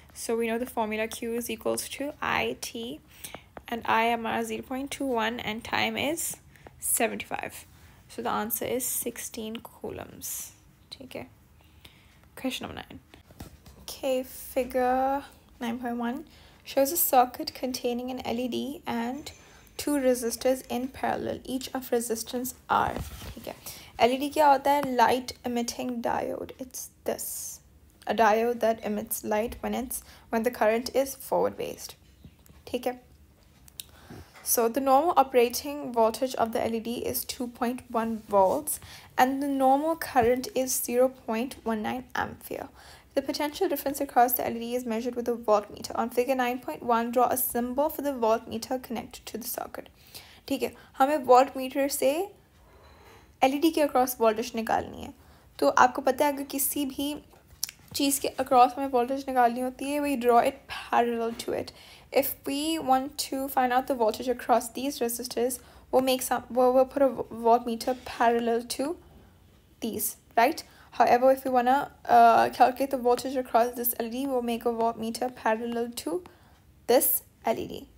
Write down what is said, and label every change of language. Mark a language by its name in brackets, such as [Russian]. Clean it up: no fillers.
[English] So we know the formula Q is equals to IT, and I am at 0.21 and time is 75. So the answer is 16 coulombs. Okay. Question number 9. Okay, figure 9.1 shows a circuit containing an LED and two resistors in parallel, each of resistance R. [Hindi] ठीक है, LED क्या होता है? [English] Light emitting diode. It's this, a diode that emits light when the current is forward based. ठीक है, so the normal operating voltage of the LED is 2.1 volts and the normal current is 0.19 ampere. The potential difference across the LED is measured with a voltmeter. On figure 9.1, draw a symbol for the voltmeter connected to the circuit. [Hindi] ठीक है, हमें voltmeter से LED के across voltage निकालनी है. तो आपको पता है अगर किसी भी चीज़ के across हमें voltage निकालनी होती है, [English] we draw it parallel to it. If we want to find out the voltage across these resistors, we'll put a voltmeter parallel to these, right? However, if we want to calculate the voltage across this LED, we'll make a voltmeter parallel to this LED.